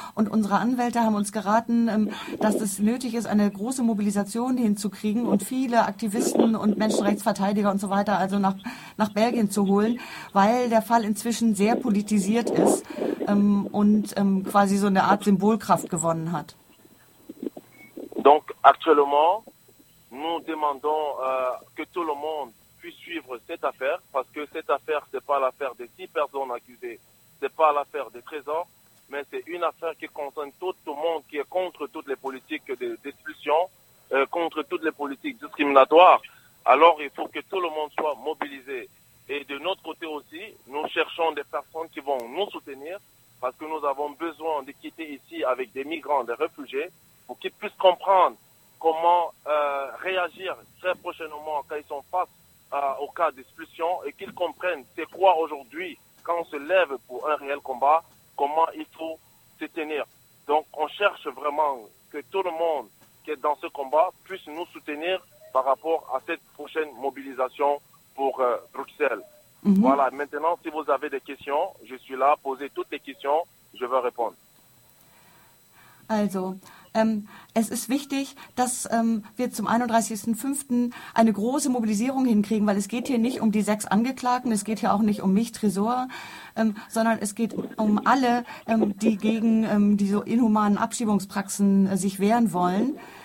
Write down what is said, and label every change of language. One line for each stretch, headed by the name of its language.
German: Und unsere Anwälte haben uns geraten, dass es nötig ist, eine große Mobilisation hinzukriegen und viele Aktivisten und Menschenrechtsverteidiger und so weiter also nach Belgien zu holen, weil der Fall inzwischen sehr politisiert ist und quasi so eine Art Symbolkraft gewonnen hat.
French: Donc actuellement, nous demandons que tout le monde puisse suivre cette affaire, parce que cette affaire, c'est pas l'affaire des 6 personnes accusées, c'est pas l'affaire des trésors, mais c'est une affaire qui concerne tout le monde, qui est contre toutes les politiques d'expulsion, contre toutes les politiques discriminatoires. Alors il faut que tout le monde soit mobilisé. Et de notre côté aussi, nous cherchons des personnes qui vont nous soutenir, parce que nous avons besoin de quitter ici avec des migrants, des réfugiés, pour qu'ils puissent comprendre comment réagir très prochainement quand ils sont face au cas d'expulsion, et qu'ils comprennent c'est quoi aujourd'hui, quand on se lève pour un réel combat, comment il faut se tenir. Donc on cherche vraiment que tout le monde qui est dans ce combat puisse nous soutenir par rapport à cette prochaine mobilisation pour Bruxelles. Mmh. Voilà, maintenant, si vous avez des questions, je suis là, posez toutes les questions, je vais répondre.
German: Also, es ist wichtig, dass wir zum 31.05. eine große Mobilisierung hinkriegen, weil es geht hier nicht um die 6 Angeklagten, es geht hier auch nicht um mich, Tresor, sondern es geht um alle, die gegen diese inhumanen Abschiebungspraxen sich wehren wollen.